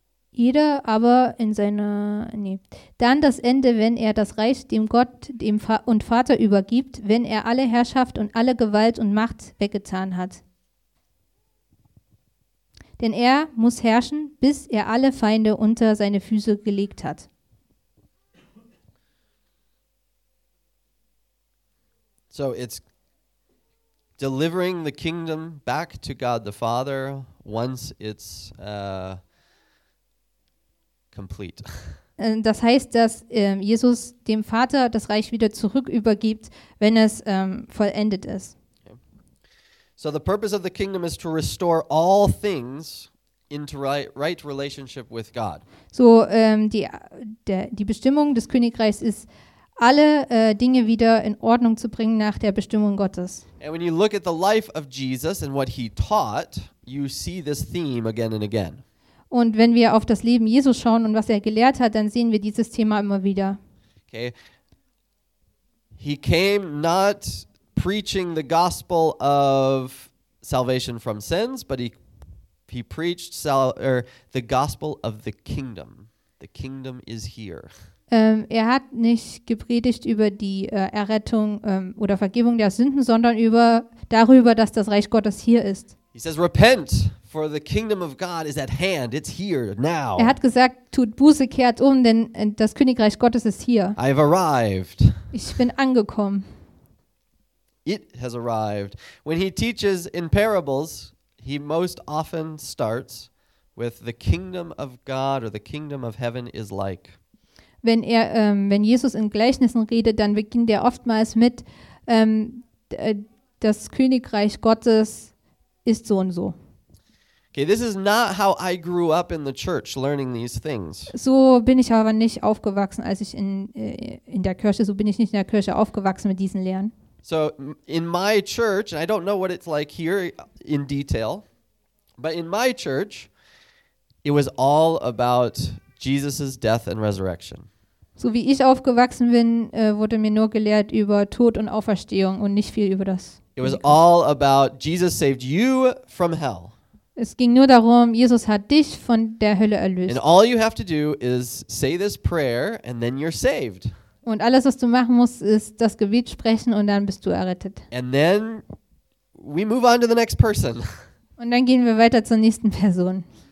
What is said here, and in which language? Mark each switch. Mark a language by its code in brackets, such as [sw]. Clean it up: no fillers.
[de] Jeder aber in seiner, nee. Dann das Ende, wenn er das Reich dem Gott und Vater übergibt, wenn er alle Herrschaft und alle Gewalt und Macht weggetan hat. Denn er muss herrschen, bis er alle Feinde unter seine Füße gelegt hat. [en] So it's delivering the kingdom back to God the Father once it's complete. [de] Das heißt, dass Jesus dem Vater das Reich wieder zurück übergibt, wenn es vollendet ist. [en] So the purpose of the kingdom is to restore all things into right relationship with God. [de] So die Bestimmung des Königreichs ist, alle Dinge wieder in Ordnung zu bringen nach der Bestimmung Gottes. [en] And when you look at the life of Jesus and what he taught, you see this theme again and again. [de] Und wenn wir auf das Leben Jesus schauen und was er gelehrt hat, dann sehen wir dieses Thema immer wieder. [en] Okay. He came not preaching the gospel of salvation from sins, but he preached the gospel of the kingdom. The kingdom is here. [de] Er hat nicht gepredigt über die Errettung oder Vergebung der Sünden, sondern darüber, dass das Reich Gottes hier ist. [en] He says, repent, for the kingdom of God is at hand. It's here now. [de] Er hat gesagt, tut Buße, kehrt um, denn das Königreich Gottes ist hier. [en] I've arrived. [de] Ich bin angekommen. [en] It has arrived. When he teaches in parables, he most often starts with the kingdom of God or the kingdom of heaven is like. [de] Wenn er, wenn Jesus in Gleichnissen redet, dann beginnt er oftmals mit, das Königreich Gottes ist so und so. [en] Okay, this is not how I grew up in the church learning these things. [de] So bin ich aber nicht aufgewachsen, als ich in der Kirche, so bin ich nicht in der Kirche aufgewachsen mit diesen Lehren. [en] So in my church, and I don't know what it's like here in detail, but in my church, it was all about Jesus's death and resurrection. [de] So wie ich aufgewachsen bin, wurde mir nur gelehrt über Tod und Auferstehung und nicht viel über das. [en] It was all about Jesus saved you from hell. [de] Es ging nur darum, Jesus hat dich von der Hölle erlöst. [en] And all you have to do is say this prayer and then you're saved. [de] Und alles, was du machen musst, ist das Gebet sprechen und dann bist du errettet. [en] And then we move on to the next person. [de] Und dann gehen wir weiter zur nächsten Person.